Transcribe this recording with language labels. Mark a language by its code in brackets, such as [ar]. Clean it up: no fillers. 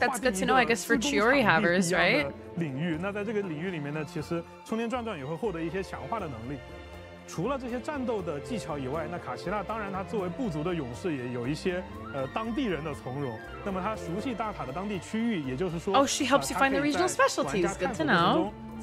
[en] That's good to know, I guess, for Chiori havers, right? [zh] 那在这个领域里面呢，其实冲天转转也会获得一些强化的能力。除了这些战斗的技巧以外，那卡奇娜当然她作为部族的勇士，也有一些当地人的从容。那么她熟悉大塔的当地区域，也就是说， [en] 哦，she helps you find the regional specialties. Good to know.